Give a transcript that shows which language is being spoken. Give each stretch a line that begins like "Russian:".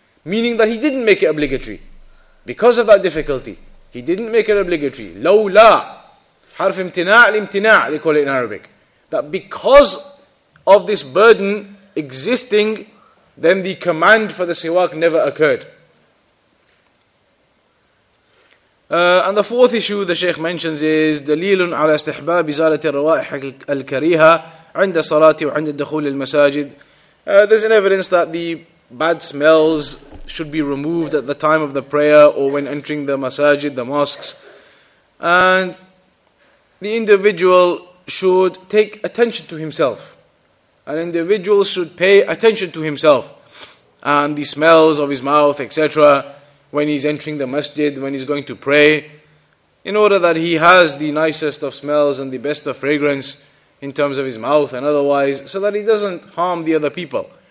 English: Meaning that he didn't make it obligatory. Because of that difficulty, he didn't make it obligatory.
Arabic: لو لا حرف امتناع الامتناع,
English: they call it in Arabic. That because of this burden existing, then the command for the siwak never occurred. And the fourth issue the Shaykh mentions is
Arabic: دَلِيلٌ عَلَى اسْتِحْبَابِ زَالَةِ الرَّوَائِحَ الْكَرِيهَةِ عِنْدَ صَلَاتِ وَعِنْدَ الدَّخُولِ الْمَسَاجِدِ.
English: There's an evidence that the bad smells should be removed at the time of the prayer or when entering the masajid, the mosques. And the individual should take attention to himself. An individual should pay attention to himself and the smells of his mouth, etc., when he's entering the masjid, when he's going to pray, in order that he has the nicest of smells and the best of fragrance in terms of his mouth and otherwise, so that he doesn't harm the other people.